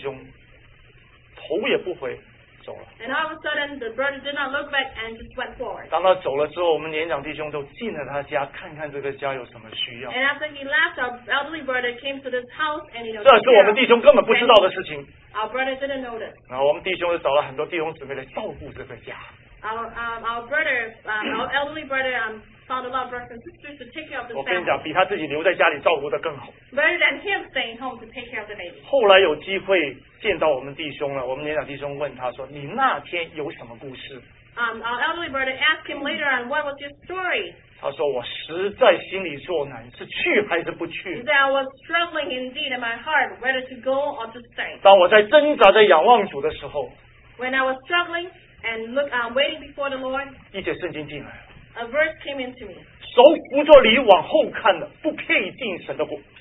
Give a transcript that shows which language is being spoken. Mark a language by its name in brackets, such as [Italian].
[Chinese] 他说，突然间看这个弟兄，头也不回走了。 [English] And all of a sudden, the brother did not look back and just went forward. [Chinese] 当他走了之后，我们年长弟兄都进了他家，看看这个家有什么需要。 [English] And after he left, our elderly brother came to this house and you know. [Chinese] 这是我们弟兄根本不知道的事情。 [English] Our brother didn't notice. [Chinese] 然后我们弟兄就找了很多弟兄姊妹来照顾这个家。 [English] Our elderly brother, our elderly brother, found a lot of brothers and sisters to take care of this family. Better than him staying home to take care of the baby. Our elderly brother asked him later on, what was your story? [Chinese] 他说我实在心里作难，是去还是不去？ [English] He said, I was struggling indeed in my heart whether to go or to stay. [Chinese] 当我在挣扎着仰望主的时候， [English] When I was struggling, And look, I'm waiting before the Lord. [Chinese] 一节圣经进来了。 [English] A verse came into me. [Chinese] 手扶着犁往后看的，不配进神的国。